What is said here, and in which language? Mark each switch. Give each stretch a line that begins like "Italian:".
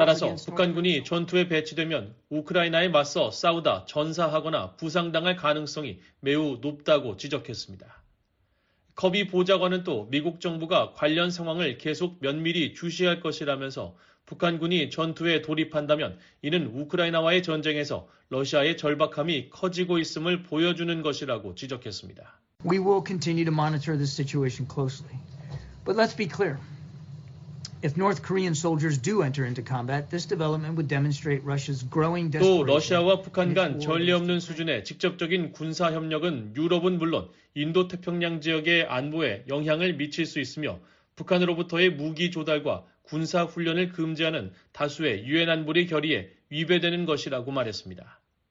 Korean: 따라서 북한군이 전투에 배치되면 우크라이나에 맞서 싸우다 전사하거나 부상당할 가능성이 매우 높다고 지적했습니다. 커비 보좌관은 또 미국 정부가 관련 상황을 계속 면밀히 주시할 것이라면서 북한군이 전투에 돌입한다면 이는 우크라이나와의 전쟁에서 러시아의 절박함이 커지고 있음을 보여주는 것이라고 지적했습니다.
English: We will continue to monitor this situation closely. But let's be clear. If North Korean soldiers do enter into combat, this development would demonstrate Russia's growing desperation.
Korean: 또 러시아와 북한 간 전례 없는 수준의 직접적인 군사 협력은 유럽은 물론 인도태평양 지역의 안보에 영향을 미칠 수 있으며 북한으로부터의 무기 조달과 군사 훈련을 금지하는 다수의 유엔 안보리 결의에 위배되는 것이라고 말했습니다.